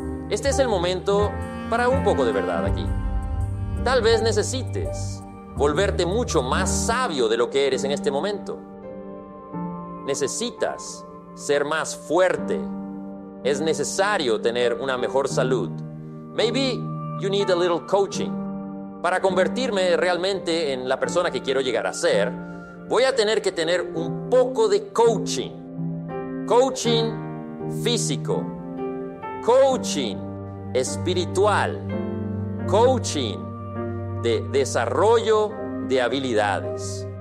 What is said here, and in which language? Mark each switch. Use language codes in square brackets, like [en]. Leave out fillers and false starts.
[es] Este es el momento para un poco de verdad aquí. Tal vez necesites volverte mucho más sabio de lo que eres en este momento. Necesitas ser más fuerte. Es necesario tener una mejor salud. [en] Maybe you need a little coaching. [es] Para convertirme realmente en la persona que quiero llegar a ser, voy a tener que tener un poco de coaching. Coaching físico. Coaching espiritual. Coaching de desarrollo de habilidades.